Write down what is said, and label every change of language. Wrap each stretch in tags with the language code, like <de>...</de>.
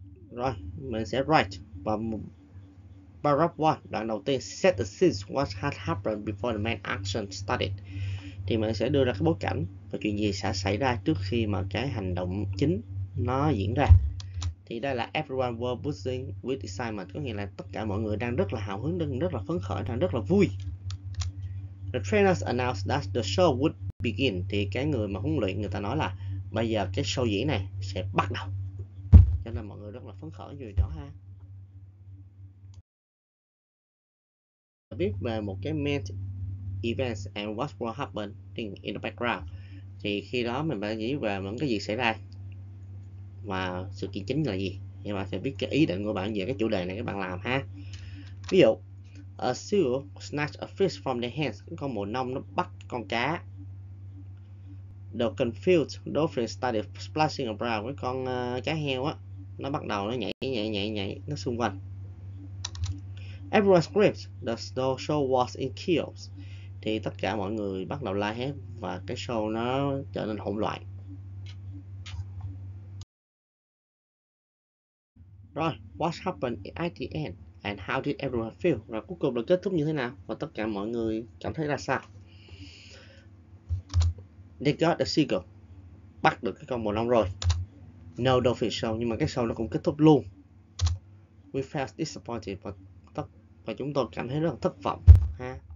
<vi>Rồi, mình sẽ</vi> <en>write.</en> <vi>Và</vi> <en>paragraph 1,</en> <vi>đoạn đầu tiên,</vi> <en>set the scene what had happened before the main action started.</en> <vi>Thì mình sẽ đưa ra cái bối cảnh và chuyện gì sẽ xảy ra trước khi mà cái hành động chính nó diễn ra. Thì đây là</vi> <en>everyone were buzzing with excitement,</en> <vi>có nghĩa là tất cả mọi người đang rất là hào hứng, đang rất là phấn khởi, đang rất là vui.</vi> <en>The trainers announced that the show would begin.</en> <vi>Thì cái người mà huấn luyện, người ta nói là bây giờ cái show diễn này sẽ bắt đầu. Cho nên mọi người rất là phấn khởi vì đó ha. Biết về một cái</vi> <en>main events and what will happen in the background,</en> <vi>thì khi đó mình phải nghĩ về những cái gì xảy ra và sự kiện chính là gì. Nhưng mà sẽ biết cái ý định của bạn về cái chủ đề này các bạn làm ha. Ví dụ,</vi> <en>a seal snatched a fish from the hands,</en> <vi>con mồi nông nó bắt con cá.</vi> <en>The confused dolphin started splashing around,</en> <vi>với con cá heo á nó bắt đầu nó nhảy nó xung quanh.</vi> <en>Everyone screams, the show was in chaos.</en> <vi>Thì tất cả mọi người bắt đầu la hét và cái show nó trở nên hỗn loạn.</vi> <en>Rồi, what happened at the end and how did everyone feel?</en> <vi>Rồi cuối cùng là kết thúc như thế nào và tất cả mọi người cảm thấy ra sao?</vi> <en>They got the seagull,</en> <vi>bắt được cái con mồi nông rồi.</vi> <en>No dolphin show,</en> <vi>nhưng mà cái show nó cũng kết thúc luôn.</vi> <en>We felt disappointed, but</en> <vi>và chúng tôi cảm thấy rất là thất vọng ha.</vi>